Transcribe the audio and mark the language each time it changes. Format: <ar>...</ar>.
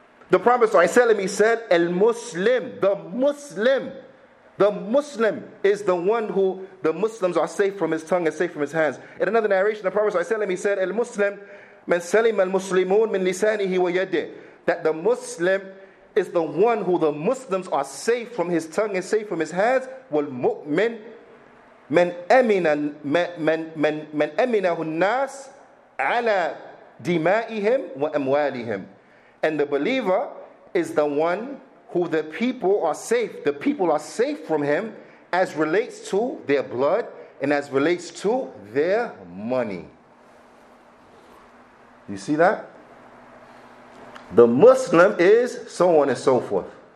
<en>The Prophet said, the Muslim is the one who the Muslims are safe from his tongue and safe from his hands. In another narration, the Prophet said,</en> <ar>Al Muslim, man salim al Muslimun min lisanihi wa yadihi.</ar> <en>That the Muslim is the one who the Muslims are safe from his tongue and safe from his hands.</en> <ar>Wal mu'min. من أمنه الناس على دمائهم وأموالهم.</ar> <en>And the believer is the one who the people are safe. The people are safe from him as relates to their blood and as relates to their money. You see that? The Muslim is so on and so forth.</en>